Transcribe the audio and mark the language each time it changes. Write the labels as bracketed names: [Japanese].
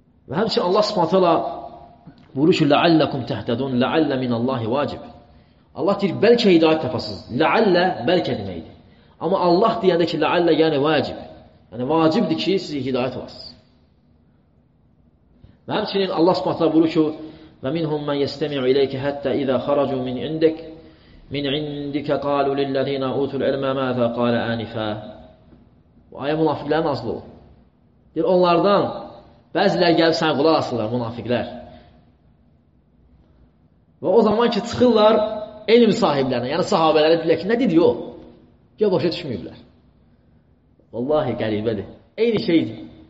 [Azerbaijani] Və həmçin Allah subhanahu taala buyurur ki, [Arabic] لَعَلَّكُمْ تَهْتَدُونَ لَعَلَّ مِنَ اللَّهِ وَاجِبٍ [Azerbaijani] Allah deyir, bəlkə hidayət tapasınız. لَعَلَّ bəlkə deməkdir. Amma Allah deyəndə ki, لَعَلَّ yəni vacib. Yəni vacibdir ki, sizə hidayət olasınız. Və həmçinin Allah subhanahu taala buyurur ki, [Arabic] وَمِنْهُمْ مَنْ يَسْتَمِعُ إِلَيْكَ حَتَّى إِذَا خَرَجُوا مِنْ عِنْدِكَ مِنْ عِنْدِكَ قَالُوا لِلَّذِينَ أُوتُوا الْعِلْمَ مَاذَا قَالَ آنِفًا [Azerbaijani] Ayə münafiqlərin azlığı. Deyir, onlardan bəzilər gəlib sənə qulaq asırlar, münafiqlər. Və o zaman ki, çıxırlar elm sahiblərinə, yəni sahabələrə deyirlər ki, nə dedi o? Gəl, boşa düşməyiblər. Vallahi qəribədir. Eyni şeydir.